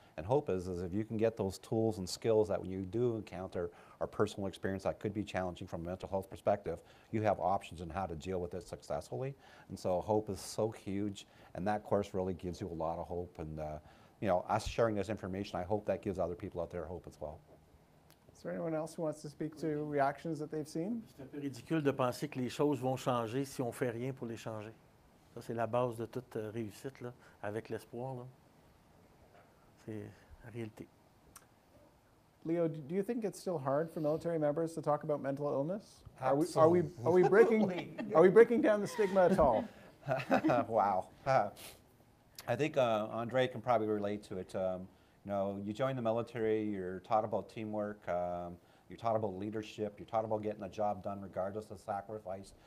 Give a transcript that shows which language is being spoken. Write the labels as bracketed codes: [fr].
[en] and hope is if you can get those tools and skills that when you do encounter or personal experience that could be challenging from a mental health perspective, you have options on how to deal with it successfully. And so hope is so huge, and that course really gives you a lot of hope. And you know, us sharing this information, I hope that gives other people out there hope as well. Is there anyone else who wants to speak to reactions that they've seen? [fr] C'est un peu ridicule de penser que les choses vont changer si on fait rien pour les changer. Ça, c'est la base de toute réussite, là, avec l'espoir, là. C'est la réalité. [en] Leo, do you think it's still hard for military members to talk about mental illness? Absolutely. Are we breaking down the stigma at all? Wow. I think Andre can probably relate to it. You know, you join the military, you're taught about teamwork, you're taught about leadership, you're taught about getting the job done regardless of sacrifice.